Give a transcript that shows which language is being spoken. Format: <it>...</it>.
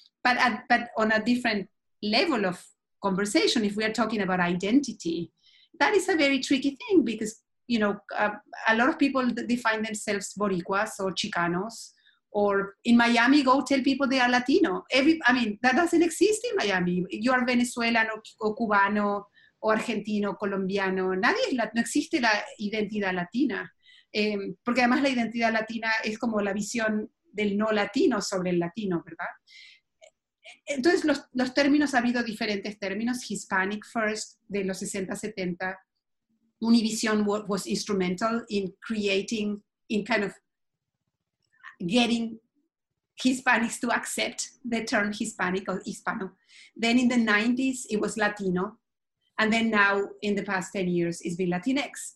<en>But on a different level of conversation, if we are talking about identity, that is a very tricky thing because, you know, a lot of people define themselves Boricuas or Chicanos, or in Miami, go tell people they are Latino. That doesn't exist in Miami. You are Venezuelan or Cubano or Argentino, Colombiano.</en> <es>Nadie es no existe la identidad latina. Porque además la identidad latina es como la visión del no latino sobre el latino, ¿verdad? Entonces, los términos, ha habido diferentes términos.</es> <en>Hispanic first,</en> <es>de los 60-70.</es> <en>Univision was instrumental in creating, in kind of getting Hispanics to accept the term Hispanic or Hispano. Then in the 90s, it was Latino. And then now, in the past 10 years, it's been Latinx.</en>